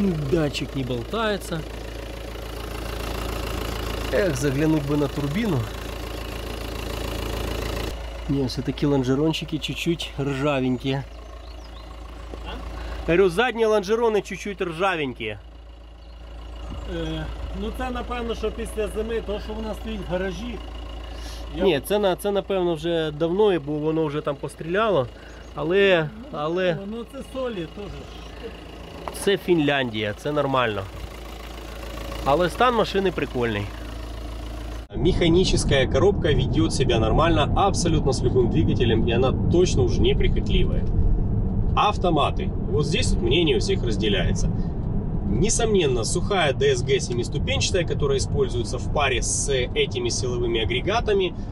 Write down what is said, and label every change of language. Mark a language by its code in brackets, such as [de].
[ru] Датчик не болтается. Эх, заглянуть бы на турбину. Не, все-таки лонжерончики чуть-чуть ржавенькие. Говорю, задние лонжероны чуть-чуть ржавенькие. [uk] Ну це напевно, що після зими, то що в нас стоїть в гаражі, Ні, це напевно вже давно, бо воно вже там постріляло. Але... Ну це солі теж. Це Фінляндія, це нормально. Але стан машини прикольний. [ru] Механическая коробка ведет себя нормально абсолютно с любым двигателем, и она точно уже не прихотливая. Автоматы. Вот здесь вот мнение у всех разделяется. Несомненно, сухая DSG 7-ступенчатая, которая используется в паре с этими силовыми агрегатами.